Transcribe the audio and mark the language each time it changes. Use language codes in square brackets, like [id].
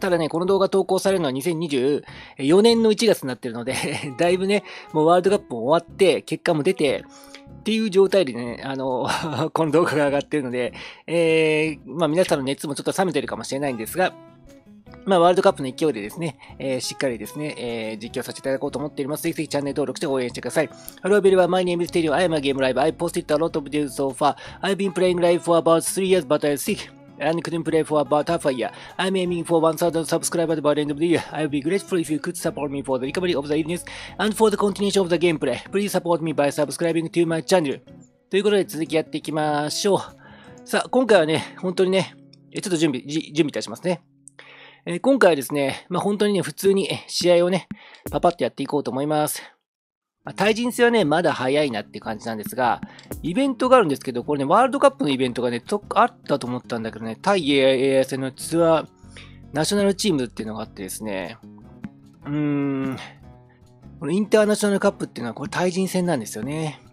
[ja] ただね、この動画投稿されるのは2024年の1月になってるので、だいぶね、もうワールドカップも終わって、結果も出て、っていう状態でね、この動画が上がってるので、まあ皆さんの熱もちょっと冷めてるかもしれないんですが、まあワールドカップの勢いでですね、しっかりですね、実況させていただこうと思っております。ぜひぜひチャンネル登録して応援してください。 [en] Hello, everyone. My name is Terio. I am a game live. I posted a lot of videos so far. I've been playing live for about 3 years, but I'm sick. And couldn't play for about half a year. I'm aiming for 1,000 subscribers by the end of the year. I'll be grateful if you could support me for the recovery of the illness and for the continuation of the gameplay. Please support me by subscribing to my channel. [ja] ということで続きやっていきましょう。さあ、今回はね、本当にね、ちょっと準備いたしますね。今回はですね、まあ本当にね、普通に試合をね、パパッとやっていこうと思います。まあ、対人戦はね、まだ早いなって感じなんですが、イベントがあるんですけど、これね、ワールドカップのイベントがね、あったと思ったんだけどね、タイ AI 戦のツアーナショナルチームっていうのがあってですね、このインターナショナルカップっていうのは、これ対人戦なんですよね。